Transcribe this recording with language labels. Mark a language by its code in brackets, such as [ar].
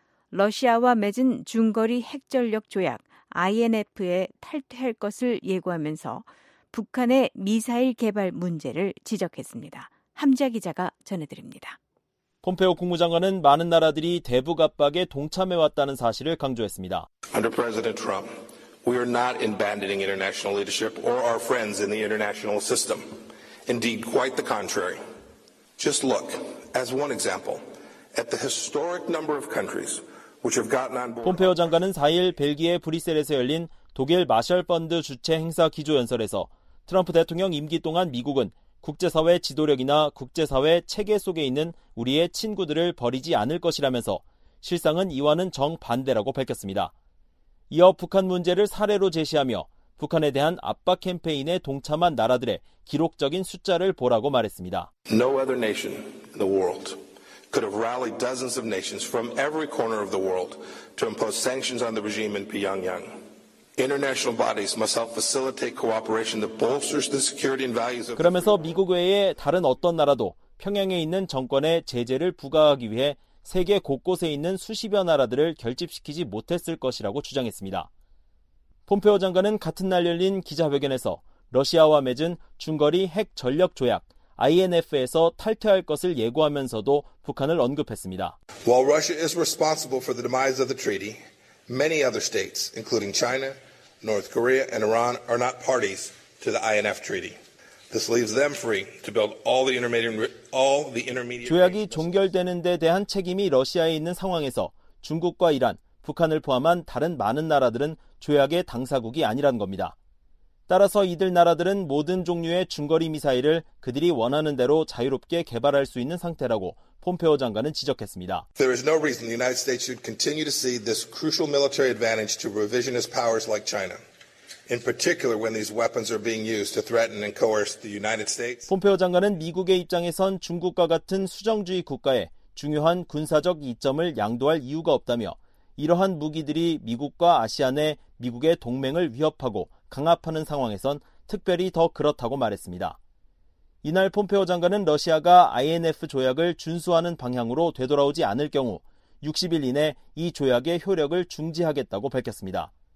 [ko] 러시아와 맺은 중거리 핵전력 조약 INF에 탈퇴할 것을 예고하면서 북한의 미사일 개발 문제를 지적했습니다. 함자 기자가 전해드립니다. 폼페오 국무장관은 많은 나라들이 대북 압박에 동참해왔다는 사실을 강조했습니다. [en] Under President Trump, we are not abandoning international leadership or our friends in the international system. Indeed, quite the contrary. Just look, as one example, at the historic number of countries which have gotten on board. [ko] 폼페오 장관은 4일 벨기에 브뤼셀에서 열린 독일 마셜 펀드 주최 행사 기조연설에서 트럼프 대통령 임기 동안 미국은 국제사회 지도력이나 국제사회 체계 속에 있는 우리의 친구들을 버리지 않을 것이라면서 실상은 이와는 정반대라고 밝혔습니다. 이어 북한 문제를 사례로 제시하며 북한에 대한 압박 캠페인에 동참한 나라들의 기록적인 숫자를 보라고 말했습니다. [en] No other nation in the world could have rallied dozens of nations from every corner of the world to impose sanctions on the regime in Pyongyang. International bodies must help facilitate cooperation that bolsters the security and values of. [ko] 그러면서 미국 외에 다른 어떤 나라도 평양에 있는 정권에 제재를 부과하기 위해 세계 곳곳에 있는 수십여 나라들을 결집시키지 못했을 것이라고 주장했습니다. 폼페오 장관은 같은 날 열린 기자회견에서 러시아와 맺은 중거리 핵 전력 조약 INF에서 탈퇴할 것을 예고하면서도 북한을 언급했습니다. [en] While Russia is responsible for the demise of the treaty. Many other states, including China, North Korea, and Iran, are not parties to the INF treaty. This leaves them free to build all the intermediate. [ko] 조약이 종결되는 데 대한 책임이 러시아에 있는 상황에서 중국과 이란, 북한을 포함한 다른 많은 나라들은 조약의 당사국이 아니라는 겁니다. 따라서 이들 나라들은 모든 종류의 중거리 미사일을 그들이 원하는 대로 자유롭게 개발할 수 있는 상태라고 폼페오 장관은 지적했습니다. [en] There is no reason the United States should continue to cede this crucial military advantage to revisionist powers like China. in particular when these weapons are being used to threaten and coerce the United States. [ko] 폼페오 장관은 미국의 입장에선 중국과 같은 수정주의 국가에 중요한 군사적 이점을 양도할 이유가 없다며 이러한 무기들이 미국과 아시아 내 미국의 동맹을 위협하고 강압하는 상황에선 특별히 더 그렇다고 말했습니다. 이날 폼페오 장관은 러시아가 INF 조약을 준수하는 방향으로 되돌아오지 않을 경우 60일 이내 이 조약의 효력을 중지하겠다고 밝혔습니다.